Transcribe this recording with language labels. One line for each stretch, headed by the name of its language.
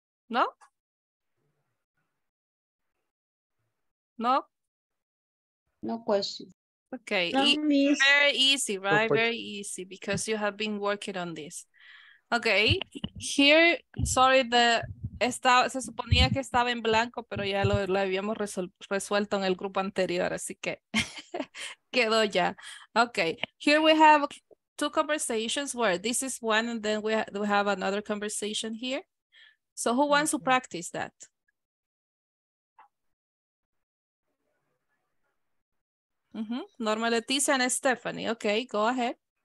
English: No? No? No questions. Okay, very easy, right? Very easy, because you have been working on this. Okay, here, sorry,
Spanish: se suponía que estaba en blanco, pero ya lo habíamos resuelto en el grupo anterior, así que quedó ya.
English: Okay, here we have two conversations where this is one, and then we have another conversation here. So who wants to practice that? Mm-hmm. Norma, Leticia, and Stephanie. Okay, go ahead.